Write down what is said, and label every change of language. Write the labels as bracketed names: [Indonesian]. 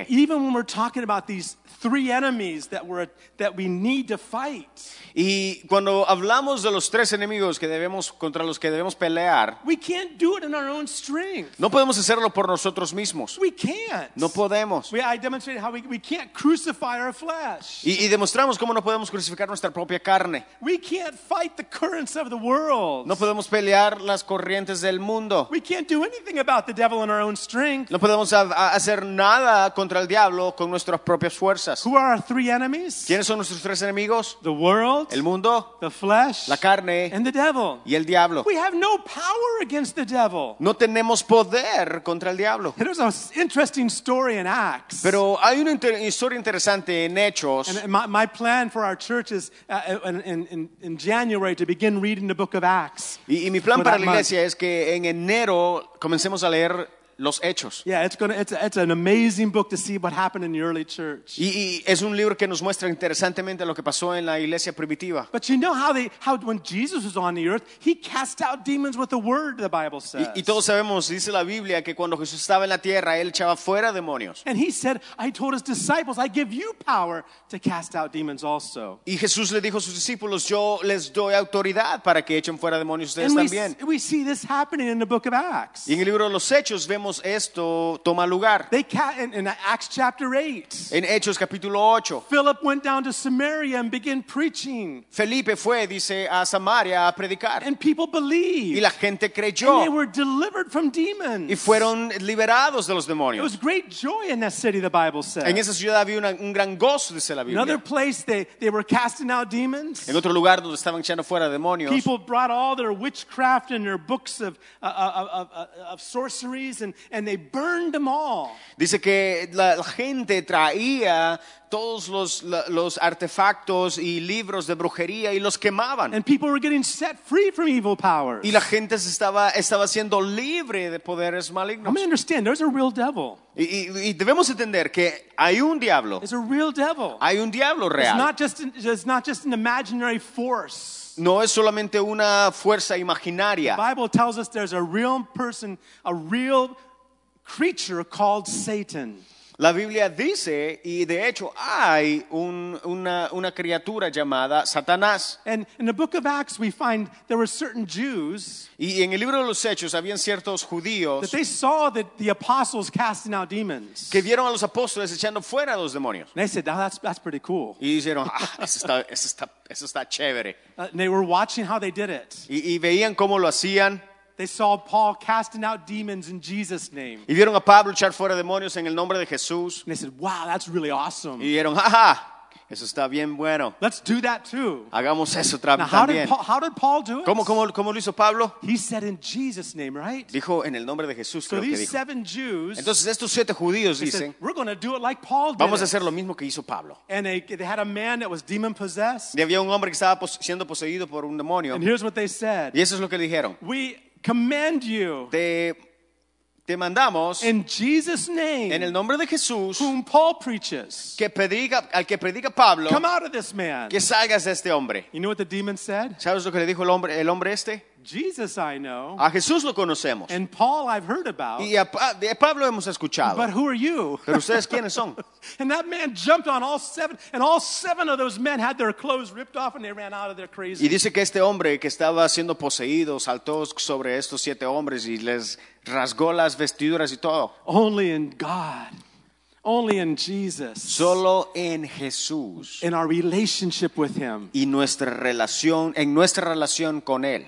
[English] And even when we're talking about these three enemies that we need to fight. [Spanish] Y cuando hablamos de los tres enemigos que debemos contra los que debemos pelear. [English] We can't do it in our own strength. [Spanish] No podemos hacerlo por nosotros mismos. [English] We can't. [Spanish] No podemos. [English] I demonstrated how we can't crucify our flesh. [Spanish] Y demostramos cómo no podemos crucificar nuestra propia carne. [English] We can't fight the currents of the world. [Spanish] No podemos pelear las corrientes del mundo. [English] We can't do anything about the devil in our own strength. [Spanish] No podemos hacer nada contra el diablo con nuestras propias fuerzas. [English] Who are our three enemies? [Spanish] ¿Quiénes son nuestros tres enemigos? [English] The world. [Spanish] El mundo. [English] The flesh. [Spanish] La carne. [English] And the devil. [Spanish] Y el diablo. [English] We have no power against the devil. [Spanish] No tenemos poder contra el diablo. [English] There's an interesting story in Acts. [Spanish] Pero hay una historia interesante en Hechos. [English] And my plan for our church is in January to begin reading the book of Acts. [Spanish] Y mi plan para la iglesia es que en enero comencemos a leer los Hechos. [English] Yeah, it's an amazing book to see what happened in the early church. [Spanish] Y es un libro que nos muestra interesantemente lo que pasó en la iglesia primitiva. [English] But you know how when Jesus was on the earth, he cast out demons with the word, the Bible says. [Spanish] Y todos sabemos, dice la Biblia, que cuando Jesús estaba en la tierra, él echaba fuera demonios. [English] And he said, I told his disciples, I give you power to cast out demons also. [Spanish] Y Jesús le dijo a sus discípulos, yo les doy autoridad para que echen fuera demonios ustedes también. [English] And we see this happening in the book of Acts. [Spanish] Y en el libro de los Hechos esto toma lugar. [English] In Acts chapter 8. [Spanish] En Hechos capítulo 8. [English] Philip went down to Samaria and began preaching. [Spanish] Felipe fue, dice, a Samaria a predicar. [English] And people believed. [Spanish] Y la gente creyó. [English] And they were delivered from demons. [Spanish] Y fueron liberados de los demonios. [English] There was great joy in that city, the Bible says. [Spanish] En esa ciudad había un gran gozo, dice la Biblia. [English] Another place they were casting out demons. [Spanish] En otro lugar donde estaban echando fuera demonios. [English] People brought all their witchcraft and their books of sorceries. And they burned them all. [Spanish] Dice que la gente traía todos los artefactos y libros de brujería y los quemaban. [English] And people were getting set free from evil powers. [Spanish] Y la gente estaba siendo libre de poderes malignos. [English] I mean, understand, there's a real devil. [Spanish] Y debemos entender que hay un diablo. [English] It's a real devil. [Spanish] Hay un diablo real. [English] It's not just an imaginary force. [Spanish] No es solamente una fuerza imaginaria. [English] The Bible tells us there's a real person, a real creature called Satan. [Spanish] La Biblia dice, y de hecho hay una criatura llamada Satanás. [English] And in the book of Acts we find there were certain Jews. [Spanish] Y en el libro de los Hechos habían ciertos judíos. [English] That they saw that the apostles casting out demons. [Spanish] Que vieron a los apóstoles echando fuera a los demonios. [English] And they said, oh, that's pretty cool. [Spanish] Y dijeron, eso está chévere. [English] And they were watching how they did it. [Spanish] Y veían cómo lo hacían. [English] They saw Paul casting out demons in Jesus' name. [Spanish] Y vieron a Pablo echar fuera demonios en el nombre de Jesús. [English] And they said, wow, that's really awesome. [Spanish] Y dijeron, ja, ja, eso está bien bueno. [English] Let's do that too. [Spanish] Hagamos eso también. [English] Now, how did Paul do it? [Spanish] ¿Cómo lo hizo Pablo? [English] He said in Jesus' name, right? [Spanish] Dijo en el nombre de Jesús, [English] so [Spanish] creo [English] these [Spanish] que dijo. [English] Seven Jews, [Spanish] entonces estos siete judíos dicen, [English] said, we're going to do it like Paul did. [Spanish] Vamos a hacer lo mismo que hizo Pablo. [English] And they had a man that was demon possessed. [Spanish] Y había un hombre que estaba siendo poseído por un demonio. [English] And here's what they said. [Spanish] Y eso es lo que dijeron. [English] We commend you. [Spanish] Te te mandamos [English] in Jesus name, [Spanish] en el nombre de Jesús, [English] whom Paul preaches, [Spanish] que predica, al que predica Pablo, [English] come out of this man. [Spanish] Que salgas de este hombre. [English] You know what the demon said? [Spanish] ¿Sabes lo que le dijo el hombre este? [English] Jesus I know. [Spanish] A Jesús lo conocemos. [English] And Paul I've heard about. [Spanish] Y a Pablo hemos escuchado. [English] But who are you? [Spanish] ¿Pero ustedes quiénes son? [English] And that man jumped on all seven, and all seven of those men had their clothes ripped off and they ran out of their crazy. [Spanish] Y dice que este hombre que estaba siendo poseído saltó sobre estos siete hombres y les rasgó las vestiduras y todo. [English] Only in God. Only in Jesus. [Spanish] Solo en Jesús. [English] In our relationship with him. [Spanish] Y nuestra relación, en nuestra relación con él.